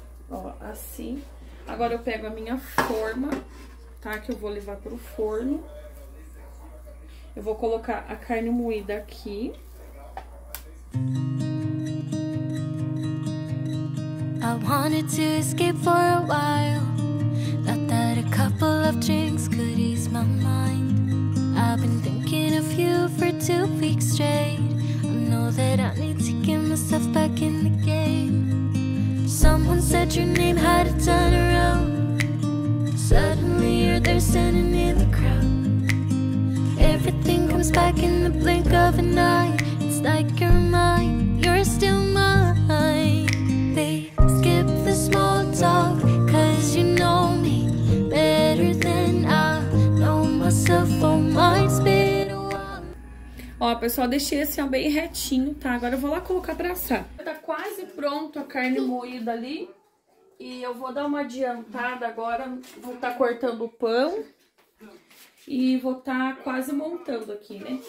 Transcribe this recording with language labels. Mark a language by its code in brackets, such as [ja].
[pt] Ó, assim. Agora eu pego a minha forma. Tá, que eu vou levar pro forno. Eu vou colocar a carne moída aqui. [en] I wanted to escape for a while. Thought that a couple of drinks could ease my mind. I've been thinking of you for 2 weeks straight. I know that I need to get myself back in the game. Someone said your name had a turn around. Suddenly you're there standing in the crowd. Everything comes back in the blink of an eye. It's like you're mine, you're still mine. They skip the small talk, cause you know me better than I know myself. Oh, mine's been a while. [pt] Ó, pessoal, deixei assim, ó, bem retinho, tá? Agora eu vou lá colocar pra assar. Tá quase pronto a carne moída ali. E eu vou dar uma adiantada agora, vou estar cortando o pão e vou estar quase montando aqui, né?